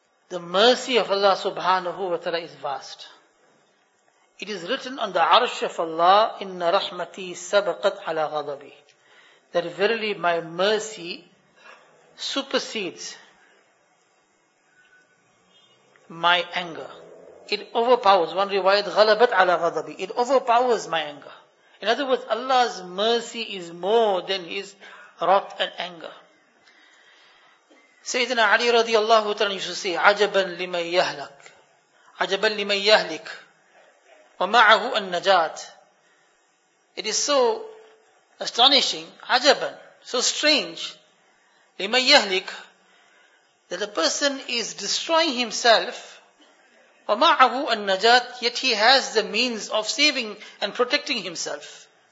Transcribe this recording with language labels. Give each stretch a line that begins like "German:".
English: The mercy of Allah subhanahu wa ta'ala is vast. It is written on the arsh of Allah,
Arabic: إِنَّ رَحْمَتِي سَبَقَتْ عَلَىٰ غَضَبِي,
English: that verily my mercy supersedes my anger. It overpowers. One riwayat,
Arabic: غَلَبَتْ عَلَىٰ غَضَبِي,
English: it overpowers my anger. In other words, Allah's mercy is more than His wrath and anger. Sayyidina Ali radiallahu ta'ala used to say,
Arabic: عَجَبًا لِمَن يَهْلَك, عَجَبًا لِمَن يَهْلِك, وَمَعَهُ النَّجَاتِ.
English: It is so astonishing, عَجَبًا, so strange,
Arabic: لِمَنْ يَهْلِكَ,
English: that a person is destroying himself
Arabic: وَمَعَهُ النَّجَاتِ,
English: yet he has the means of saving and protecting himself.